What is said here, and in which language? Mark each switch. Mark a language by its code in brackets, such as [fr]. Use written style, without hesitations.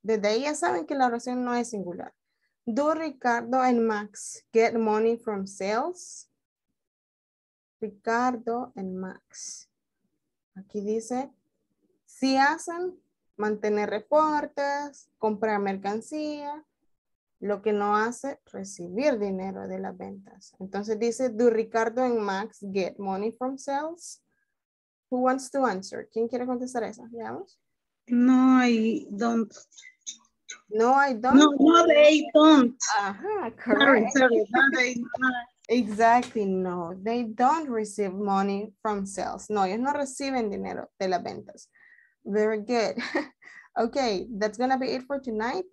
[es] Desde ahí ya saben que la oración no es singular. [en] Do Ricardo and Max get money from sales? [es] Ricardo and Max. Aquí dice, si hacen... Mantener reportes, comprar mercancía, lo que no hace recibir dinero de las ventas. Entonces dice, [en] do Ricardo and Max get money from sales? Who wants to answer? [es] ¿Quién quiere contestar esa? ¿Veamos? [en] No, I don't. No, I don't. No, no, they don't. Ajá, correct. No, sorry, no, they don't. Exactly, no. They don't receive money from sales. [es] No, ellos no reciben dinero de las ventas. [en] Very good. Okay, that's going to be it for tonight.